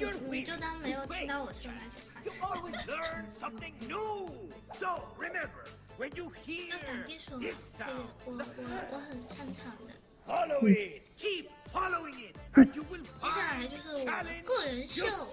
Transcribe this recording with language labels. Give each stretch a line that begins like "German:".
Chinese: 你就当没有听到我说那句话。
English: You always learn something new. So remember, when you hear this sound,
Chinese: 我很擅长的。
English: Follow it. Keep following it.
Chinese: 接下来就是我的个人秀。